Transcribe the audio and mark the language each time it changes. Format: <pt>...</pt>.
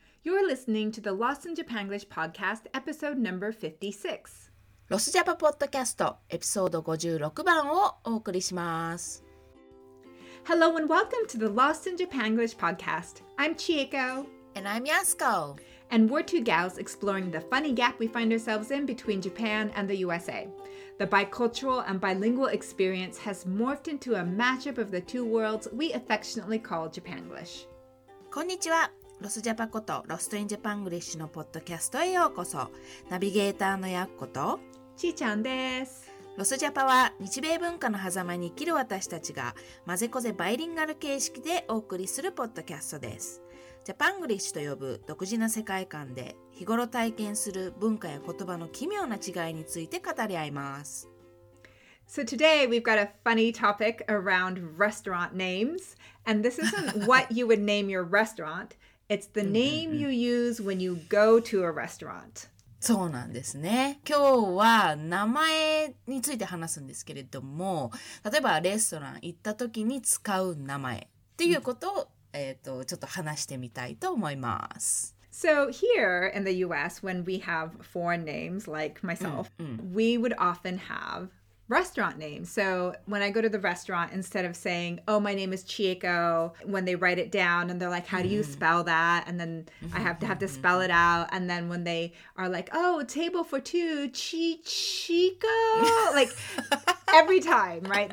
<en>You're listening to the Lost in Japanglish podcast, episode number 56.</en> <ja>ロスジャパポッドキャストエピソード56番をお送りします。</ja> <en>Hello and welcome to the Lost in Japanglish podcast. I'm Chieko. And I'm Yasuko. And we're two gals exploring the funny gap we find ourselves in between Japan and the USA. The bicultural and bilingual experience has morphed into a mashup of the two worlds we affectionately call Japanglish.</en> <ja>こんにちは。ロスジャパことロストインジャパングリッシュのポッドキャストへようこそ。ナビゲーターのやっことちーちゃんです。ロスジャパは日米文化の狭間に生きる私たちがまぜこぜバイリンガル形式でお送りするポッドキャストです。ジャパングリッシュと呼ぶ独自な世界観で日頃体験する文化や言葉の奇妙な違いについて語り合います。</ja> <en>So today we've got a funny topic around restaurant names, and this isn't what you would name your restaurant. It's the name you use when you go to a restaurant.</en> <ja>そうなんですね。今日は名前について話すんですけれども、例えばレストラン行った時に使う名前っていうことを、ちょっと話してみたいと思います。</ja> <en>So here in the US, when we have foreign names like myself, we would often haveRestaurant name. So when I go to the restaurant, instead of saying, oh, my name is Chieko, when they write it down and they're like, how do you spell that? And then I have to spell it out. And then when they are like, oh, table for two, Chieko, like every time, right?</en>